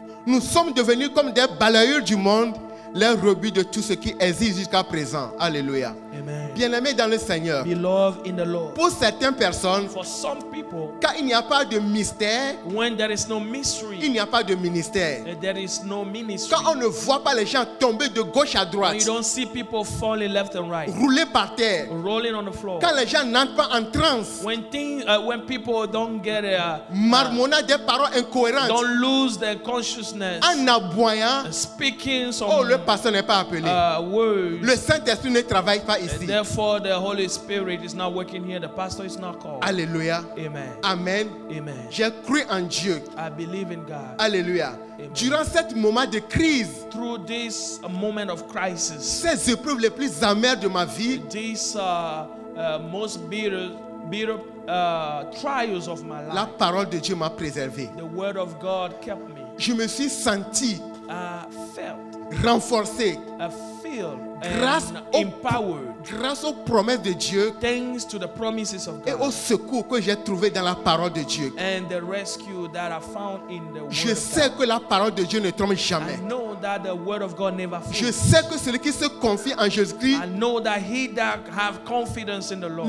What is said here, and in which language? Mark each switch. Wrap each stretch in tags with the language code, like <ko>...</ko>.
<fr>Nous sommes devenus comme des balayeurs du monde, les rebuts de tout ce qui existe jusqu'à présent. Alléluia. Bien-aimés dans le Seigneur.</fr> <en>Beloved in the Lord.</en> <fr>Pour certaines personnes,</fr> <en>for some people,</en> <fr>quand il n'y a pas de mystère,</fr> <en>when there is no mystery,</en> <fr>il n'y a pas de ministère.</fr> <en>There is no ministry,</en> <fr>quand on ne voit pas les gens tomber de gauche à droite,</fr> <en>when you don't see people falling left and right,</en> <fr>rouler par terre,</fr> <en>rolling on the floor,</en> <fr>quand les gens n'entrent pas en transe,</fr> <en>when things, when people don't get</en> <fr>marmonnant des paroles incohérentes,</fr> <en>don't lose their consciousness,</en> <fr>en aboyant,</fr> <en>speaking some,</en> <fr>oh, le pasteur n'est pas appelé,</fr> <en>words,</en> <fr>le Saint-Esprit ne travaille pas ici.</fr> <en>Therefore, the Holy Spirit is not working here. The pastor is not called.</en> <fr>Alléluia.</fr> <en>Amen. Amen. Amen.</en> <fr>J'ai cru en Dieu.</fr> <en>I believe in God.</en> <fr>Alléluia.</fr> <en>Amen.</en> <fr>Durant cet moment de crise,</fr> <en>through this moment of crisis,</en> <fr>ces épreuves les plus amères de ma vie,</fr> <en>these most bitter trials of my life,</en> <fr>la parole de Dieu m'a préservé.</fr> <en>The word of God kept me.</en> <fr>Je me suis senti.</fr> <en>I felt.</en> <fr>Renforcé.</fr> <en>I feel</en> <fr>grâce</fr> <en>and empowered.</en> <fr>Grâce aux promesses de Dieu.</fr> <en>Thanks to the promises of God.</en> <fr>Et au secours que j'ai trouvé dans la parole de Dieu.</fr> <en>And the rescue that I found in the word</en> <fr>je sais</fr> <en>of God.</en> <fr>Que la parole de Dieu ne trompe jamais.</fr> <en>I know that the word of God never fails.</en> <fr>Je sais que celui qui se confie en Jésus-Christ,</fr> <en>I know that he that have confidence in the Lord,</en>